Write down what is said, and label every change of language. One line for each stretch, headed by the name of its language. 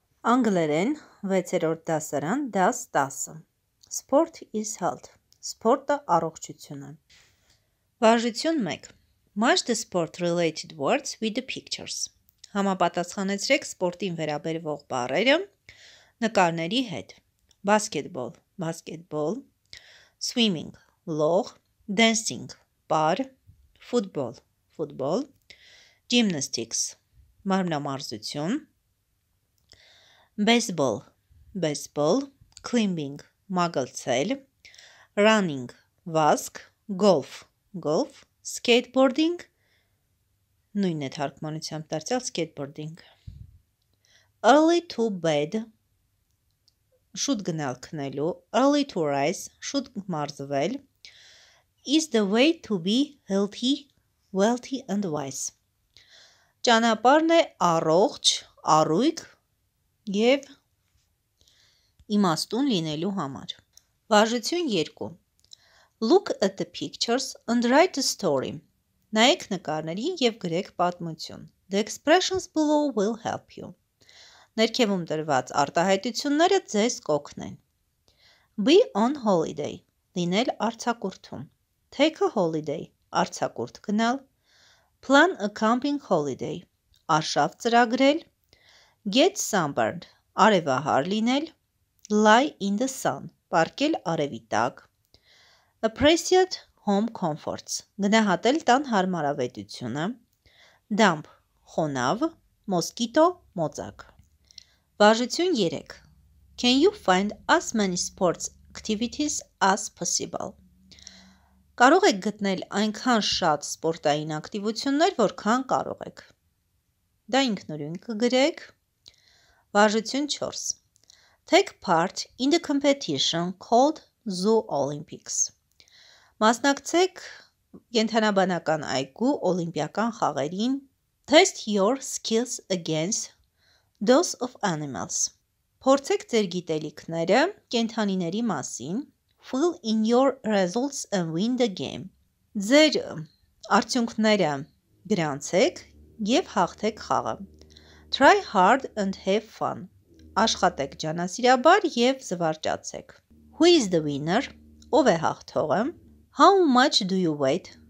Armenian: Անգլերեն 6-րդ դասարան, դաս 10.
English: Sport is health.
Armenian: Սպորտը առողջություն է։ Վարժություն 1.
English: Match the sport related words with the pictures.
Armenian: Համապատասխանեցրեք սպորտին վերաբերվող բառերը նկարների հետ.
English: Basketball, basketball. Swimming, լող. Dancing, պար. Football, football. Gymnastics, մարմնամարզություն. Baseball, baseball, climbing, մագլցել, running, վազք, golf, golf, skateboarding,
Armenian: նույնն է թարգմանությամբ դարձյալ
English: skateboarding. Early to bed,
Armenian: շուտ գնալ քնելու,
English: early to rise,
Armenian: շուտ մարզվել,
English: is the way to be healthy, wealthy and wise.
Armenian: Ճանապարհն է առողջ, առույգ, և իմաստուն լինելու համար։ Վարժություն 2.
English: Look at the pictures and write a story.
Armenian: Նայեք նկարներին և գրեք պատմություն.
English: The expressions below will help you.
Armenian: Ներքևում դրված արտահայտությունները ձեզ կօգնեն.
English: Be on holiday.
Armenian: Լինել արձակուրդում.
English: Take a holiday.
Armenian: Արձակուրդ գնալ.
English: Plan a camping holiday.
Armenian: Արշավ ծրագրել.
English: Get sunburned,
Armenian: արևահար լինել,
English: lie in the sun,
Armenian: պարկել արևի տակ,
English: appreciate home comforts,
Armenian: գնահատել տան հարմարավետությունը,
English: dump, խոնավ, mosquito, մոծակ.
Armenian: Վարժություն 3.
English: Can you find as many sports activities as possible?
Armenian: Կարող եք գտնել այնքան շատ սպորտային ակտիվություններ, որքան կարող եք. Դա ինքնուրույն կգրեք. Վարժություն 4.
English: Take part in the competition called Zoo Olympics.
Armenian: Մասնակցեք ենթանաբանական այգու օլիմպիական խաղերին.
English: Test your skills against those of animals.
Armenian: Փորձեք ձեր գիտելիքները կենդանիների մասին.
English: Fill in your results and win the game.
Armenian: Ձեր արդյունքները գրանցեք և հաղթեք խաղը.
English: Try hard and have fun.
Armenian: Աշխատեք ճանասիրաբար և զվարճացեք.
English: Who is the winner?
Armenian: Ով է հաղթողը?
English: How much do you weigh?